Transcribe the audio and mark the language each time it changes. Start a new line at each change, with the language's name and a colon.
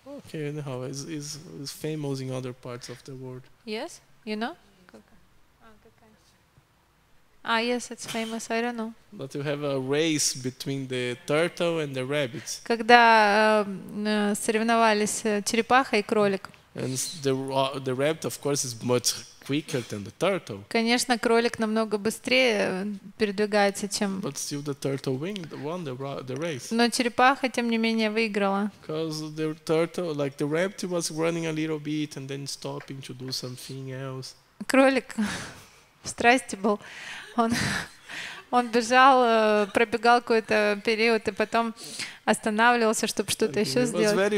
English: Okay, anyhow, is famous in other parts of the world. Yes, you know? Ah, yes, it's famous, I don't know. But you have a race between the turtle and the rabbit.
Russian: Когда соревновались черепаха и кролик.
English: And the rabbit, of course, is much quicker than the turtle.
Russian: Конечно, кролик намного быстрее передвигается, чем...
English: But still the turtle won the race.
Russian: Но черепаха, тем не менее, выиграла.
English: Because the turtle, like the rabbit was running a little bit and then stopping to do something else.
Russian: Кролик в страсти был. Он бежал, пробегал какой-то период и потом останавливался, чтобы что-то еще сделать.